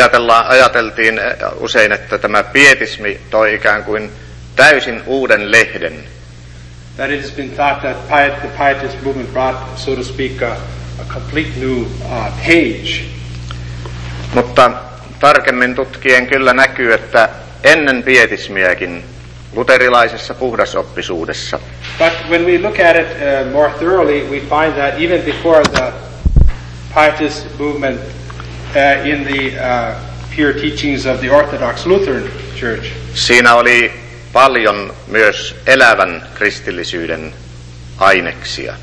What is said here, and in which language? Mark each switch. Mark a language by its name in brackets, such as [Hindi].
[Finnish] Ajateltiin usein, että tämä pietismi toi ikään kuin täysin uuden lehden. [English] That it has been thought that the pietist movement brought, so to speak, a complete new page. [Finnish] Mutta tarkemmin tutkien kyllä näkyy, että ennen pietismiäkin luterilaisessa puhdasoppisuudessa. [English] But when we look at it more thoroughly, we find that even before the pietist movement in the pure teachings of the Orthodox Lutheran Church. [Finnish] Siinä oli paljon myös elävän kristillisyyden aineksia.